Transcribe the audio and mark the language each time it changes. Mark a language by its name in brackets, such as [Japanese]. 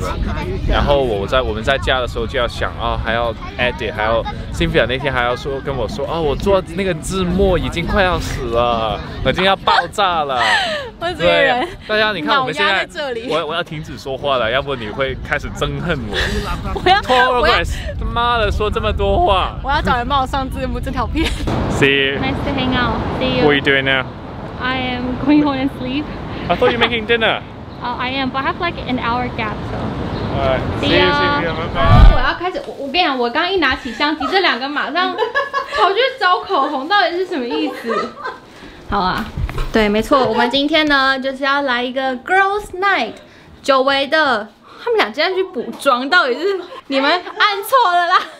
[Chinese] 对对对，然后我们在家的时候就要想，哦，还要 edit， 还要 Cynthia 那天还要说跟我说，哦，我做那个字幕已经快要死了，已经要爆炸了。我这个人，大家你看我们现在这里，我要停止说话了，要不你会开始憎恨我。我要他妈的说这么多话，我要找人帮我上字幕这条片。 [English] See you. Nice to hang out. See you. What are you doing now? I am going home and sleep. I thought you're making dinner. Oh, I am, but I have like an hour gap, so. Alright. See you. Bye. [Chinese] 我要开始，我跟你讲，我刚一拿起相机，这两个马上跑去找口红，到底是什么意思？好啊，对，没错，我们今天呢就是要来一个 girls night， 久违的。他们俩今天去补妆，到底是你们按错了啦？